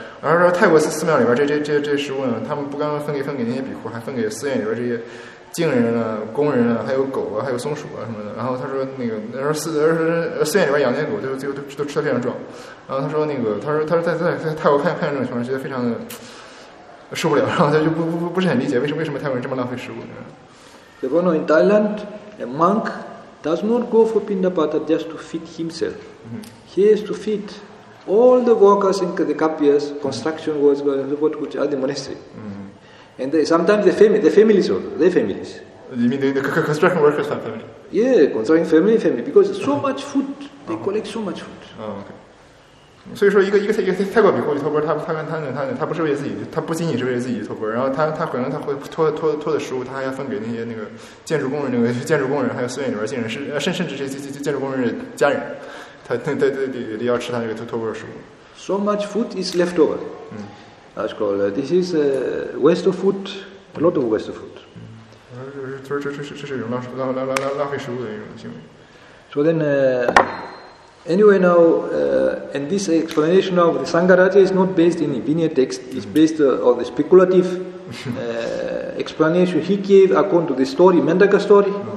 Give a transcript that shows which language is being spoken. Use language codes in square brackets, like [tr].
[zh] 然后说泰国寺庙里边这食物呢，他们不光分给那些比库，还分给寺院里边这些净人啊、工人啊，还有狗啊，还有松鼠啊什么的。然后他说那个那时候寺院里边养那些狗都吃得非常壮。然后他说在泰国看这种情况，觉得非常的受不了，然后他就不是很理解为什么泰国人这么浪费食物。 [en] You know, in Thailand, a monk does not go for Pindapata just to feed himself. Mm-hmm. He has to feed all the workers in the kapyas, construction workers, and so forth, which are the monastery. Mm-hmm. And sometimes the families. You mean the construction workers have families? Yeah, construction family, because so much food, they collect so much food. Oh, okay. [zh] 所以说一个泰国比库托钵，他不是为自己，他不仅仅是为自己托钵，然后他可能他会托的食物，他还要分给那些那个建筑工人，那个建筑工人还有寺院里边进人，甚至这些建筑工人的家人，他得要吃他这个托钵的食物。 [en] So much food is left over. 嗯，That's called this is a waste of food, a lot of waste of food. [zh] 嗯，这是一种浪费食物的一种行为。 [en] So then, Anyway, now, and this explanation of the Sangharaja is not based in the Vinaya text, it's based on the speculative explanation he gave according to the story, Mandaka story.